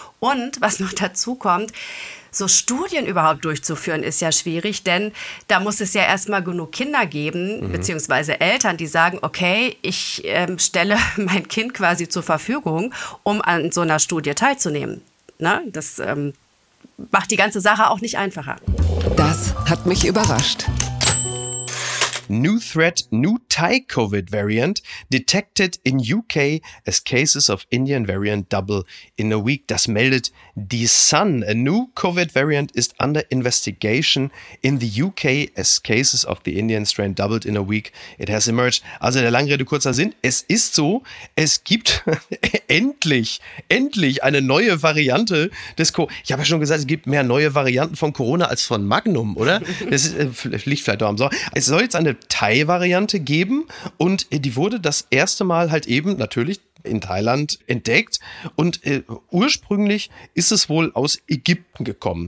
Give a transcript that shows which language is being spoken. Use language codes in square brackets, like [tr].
[de] Und was noch dazu kommt, so Studien überhaupt durchzuführen, ist ja schwierig, denn da muss es ja erstmal genug Kinder geben, beziehungsweise Eltern, die sagen, okay, ich stelle mein Kind quasi zur Verfügung, um an so einer Studie teilzunehmen. Na, das macht die ganze Sache auch nicht einfacher. Das hat mich überrascht. [en] New threat, new Thai COVID variant detected in UK as cases of Indian variant double in a week. [de] Das meldet [en] The Sun. A new COVID variant is under investigation in the UK as cases of the Indian strain doubled in a week. It has emerged. [de] Also der lange Rede kurzer Sinn. Es ist so, es gibt endlich eine neue Variante des Ich habe ja schon gesagt, es gibt mehr neue Varianten von Corona als von Magnum, oder? Das ist, liegt vielleicht am Sorgen. Es soll jetzt eine Thai-Variante geben und die wurde das erste Mal halt eben natürlich in Thailand entdeckt und ursprünglich ist es wohl aus Ägypten gekommen.